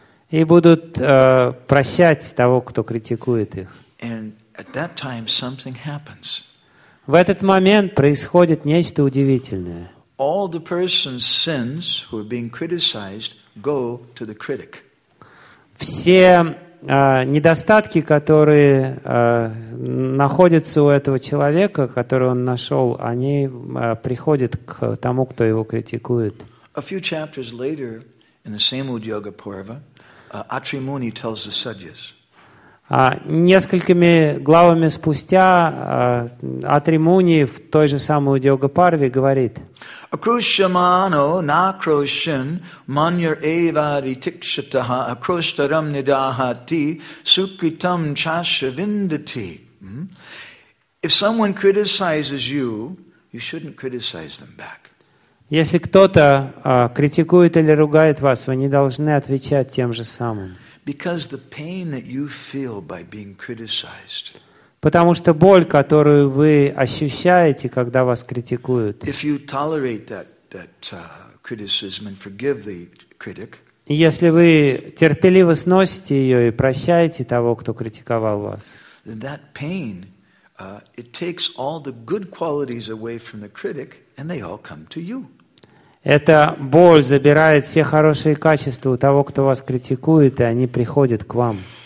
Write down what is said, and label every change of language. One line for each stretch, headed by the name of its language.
Russian: И будут прощать того, кто критикует их. В этот момент происходит нечто удивительное.
English: All the person's sins who are being criticized go to the critic.
Russian: Все недостатки, которые находятся у этого человека, который он нашел, они приходят к тому, кто его критикует.
English: A few chapters later, in the same Udyoga Purva, Atrimuni tells the Sadhyas.
Russian: Несколькими главами спустя Атримуни в той же самой Удьога Парве говорит:
Sanskrit: Акрушьямано накрошин маньяр эйва ритикшатаха акроштарам нидахати сукритам чашавиндати.
English: If someone criticizes you, you shouldn't criticize them back.
Russian: Если кто-то критикует или ругает вас, вы не должны отвечать тем же самым.
English: Because the pain that you feel by being criticized.
Russian: Потому что боль, которую вы ощущаете, когда вас критикуют.
English: If you tolerate that criticism and forgive the critic.
Russian: Если вы терпеливо сносите ее и прощаете того, кто критиковал вас.
English: Then that pain, it takes all the good qualities away from the critic, and they all come to you.
Russian: Эта боль забирает все хорошие качества у того, кто вас критикует, и они приходят к вам.